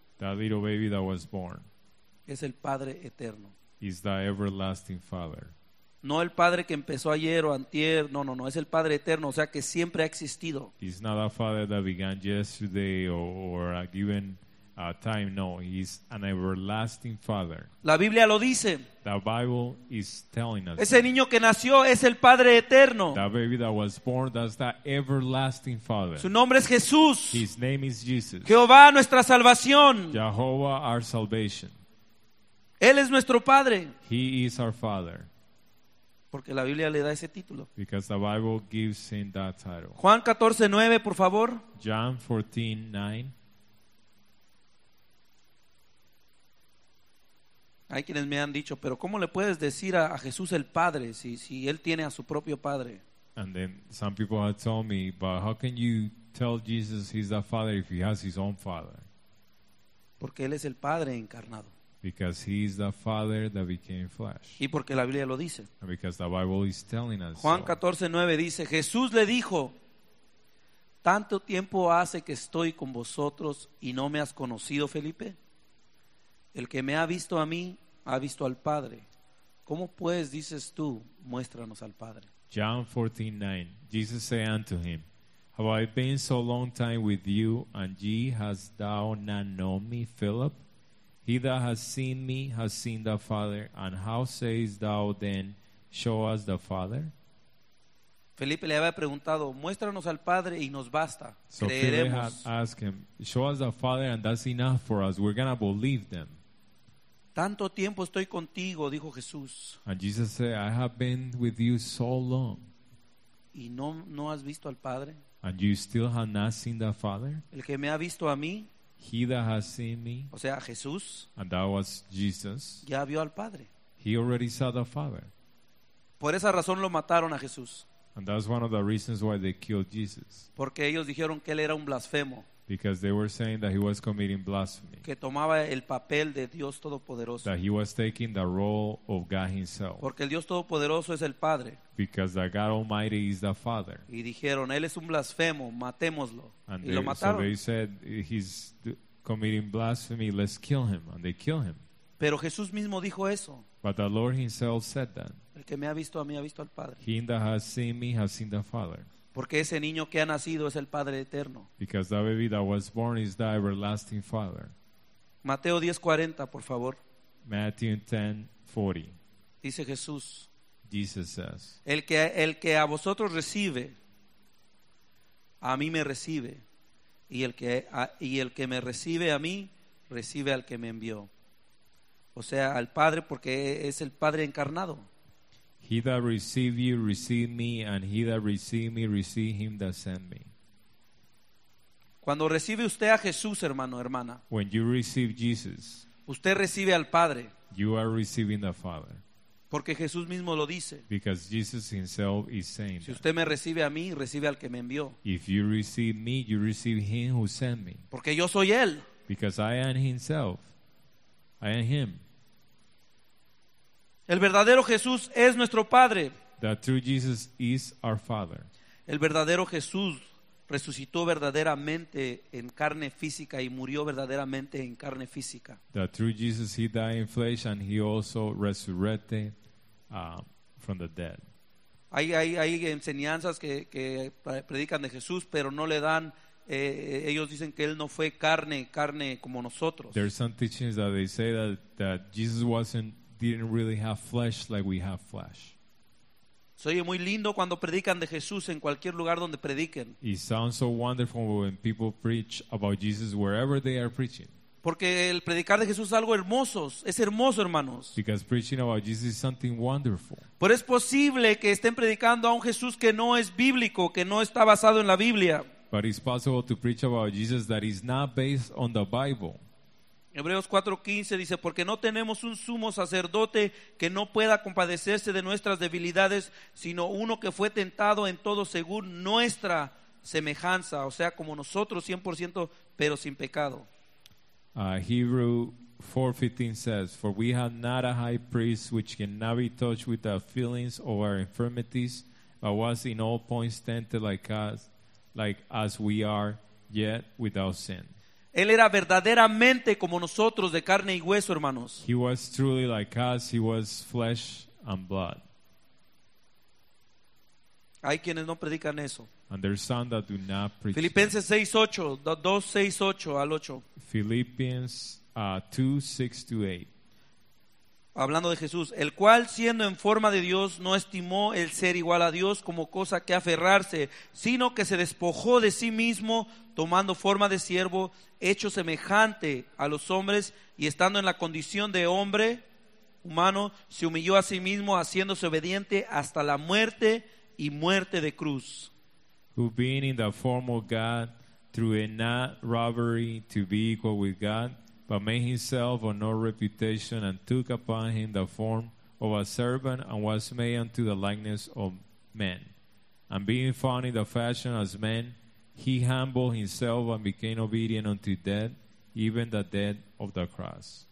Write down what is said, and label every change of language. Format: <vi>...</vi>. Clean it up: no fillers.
<en>That little baby that was born.</en> <es>Es el Padre eterno.</es> <en>Is the everlasting Father.</en> <es>No el Padre que empezó ayer o antier, no, es el Padre eterno, o sea que siempre ha existido.</es> <en>He's not a Father that began yesterday or a given time, no, he's an everlasting Father.</en> <es>La Biblia lo dice.</es> <en>The Bible is telling us.</en> <es>Ese niño que nació es el Padre eterno.</es> <en>That baby that was born, that's the everlasting Father.</en> <es>Su nombre es Jesús.</es> <en>His name is Jesus.</en> <es>Jehová, nuestra salvación.</es> <en>Jehovah, our salvation.</en> <es>Él es nuestro Padre.</es> <en>He is our Father.</en> <es>Porque la Biblia le da ese título.</es> <en>Because the Bible gives him that title.</en> <es>Juan 14:9, por favor.</es> <en>John 14:9.</en> <es>Hay quienes me han dicho, pero ¿cómo le puedes decir a Jesús el Padre si él tiene a su propio Padre?</es> <en>And then some people have told me, but how can you tell Jesus he's the Father if he has his own Father?</en> <es>Porque él es el Padre encarnado.</es> <en>Because he is the Father that became flesh.</en> <es>Y porque la Biblia lo dice.</es> <en>And because the Bible is telling us.</en> <es>Juan 14:9 dice, Jesús le dijo, ¿tanto tiempo hace que estoy con vosotros y no me has conocido, Felipe? El que me ha visto a mí, ha visto al Padre. ¿Cómo pues, dices tú, muéstranos al Padre?</es> <en>John 14:9, Jesus said unto him, Have I been so long time with you, and ye hast thou not known me, Philip? He that has seen me has seen the Father. And how sayest thou then, show us the Father?</en> <es>Felipe le había preguntado, muéstranos al Padre y nos basta.</es> <en>So</en> <es>creeremos.</es> <en>Felipe had asked him, show us the Father and that's enough for us. We're going to believe them.</en> <es>Tanto tiempo estoy contigo, dijo Jesús.</es> <en>And Jesus said, I have been with you so long.</en> <es>Y no has visto al Padre.</es> <en>And you still have not seen the Father?</en> <es>El que me ha visto a mí.</es> <en>He that has seen me,</en> <es>o sea, Jesús,</es> <en>and that was Jesus,</en> <es>ya vio al Padre.</es> <en>He already saw the Father.</en> <es>Por esa razón lo mataron a Jesús.</es> <en>And that's one of the reasons why they killed Jesus.</en> <es>Porque ellos dijeron que él era un blasfemo.</es> <en>Because they were saying that he was committing blasphemy.</en> <es>Que tomaba el papel de Dios Todopoderoso.</es> <en>That he was taking the role of God himself.</en> <es>Porque el Dios Todopoderoso es el Padre.</es> <en>Because the God Almighty is the Father.</en> <es>Y dijeron, él es un blasfemo, matémoslo.</es> <en>And</en> <es>y lo mataron.</es> <en>So they said, he's committing blasphemy, let's kill him. And they kill him.</en> <es>Pero Jesús mismo dijo eso.</es> <en>But the Lord himself said that.</en> <es>El que me ha visto a mí ha visto al Padre.</es> <en>He that has seen me has seen the Father.</en> <es>Porque ese niño que ha nacido es el Padre eterno.</es> <en>Because that baby that was born is the everlasting Father.</en> <es>Mateo 10:40, por favor.</es> <en>Matthew 10:40.</en> <es>Dice Jesús.</es> <en>Jesus says.</en> <es>El que a vosotros recibe, a mí me recibe. Y el que me recibe a mí, recibe al que me envió. O sea, al Padre, porque es el Padre encarnado.</es> <en>He that received you received me, and he that received me received him that sent me.</en> <es>Cuando recibe usted a Jesús, hermano, hermana,</es> <en>when you receive Jesus,</en> <es>usted recibe al Padre.</es> <en>You are receiving the Father.</en> <es>Porque Jesús mismo lo dice.</es> <en>Because Jesus himself is saying that.</en> <es>Si usted me recibe a mí, recibe al que me envió.</es> <en>If you receive me, you receive him who sent me.</en> <es>Porque yo soy él.</es> <en>Because I am himself. I am him.</en> <es>El verdadero Jesús es nuestro Padre.</es> <en>The true Jesus is our Father.</en> <es>El verdadero Jesús resucitó verdaderamente en carne física y murió verdaderamente en carne física.</es> <en>The true Jesus, he died in flesh and he also resurrected from the dead.</en> <es>Hay enseñanzas que predican de Jesús, pero no le dan, ellos dicen que él no fue carne como nosotros.</es> <en>There are some teachings that they say that Jesus didn't really have flesh like we have flesh.</en> <es>Se oye muy lindo cuando predican de Jesús en cualquier lugar donde prediquen.</es> <en>It sounds so wonderful when people preach about Jesus wherever they are preaching.</en> <es>Porque el predicar de Jesús es algo hermoso, es hermoso, hermanos.</es> <en>Because preaching about Jesus is something wonderful.</en> <es>Pero es posible que estén predicando a un Jesús que no es bíblico, que no está basado en la Biblia.</es> <en>But it's possible to preach about Jesus that is not based on the Bible.</en> <es>Hebreos 4:15 dice, porque no tenemos un sumo sacerdote que no pueda compadecerse de nuestras debilidades, sino uno que fue tentado en todo según nuestra semejanza, o sea, como nosotros 100%, pero sin pecado.</es> <en>Hebrews 4:15 says, for we have not a high priest which cannot be touched with the feelings of our infirmities, but was in all points tempted like us we are, yet without sin.</en> <es>Él era verdaderamente como nosotros, de carne y hueso, hermanos.</es> <en>He was truly like us. He was flesh and blood.</en> <es>Hay quienes no predican eso.</es> <en>And there's some that do not preach.</en> <es>Filipenses 6:8, 2:6-8 al 8.</es> <en>Philippians 2:6-8.</en> <es>Hablando de Jesús, el cual siendo en forma de Dios no estimó el ser igual a Dios como cosa que aferrarse, sino que se despojó de sí mismo, tomando forma de siervo, hecho semejante a los hombres, y estando en la condición de hombre humano, se humilló a sí mismo, haciéndose obediente hasta la muerte y muerte de cruz.</es> <en>Who being in the form of God, through it not robbery to be equal with God, but made himself of no reputation, and took upon him the form of a servant, and was made unto the likeness of men. And being found in the fashion as men, he humbled himself and became obedient unto death, even the death of the cross.</en>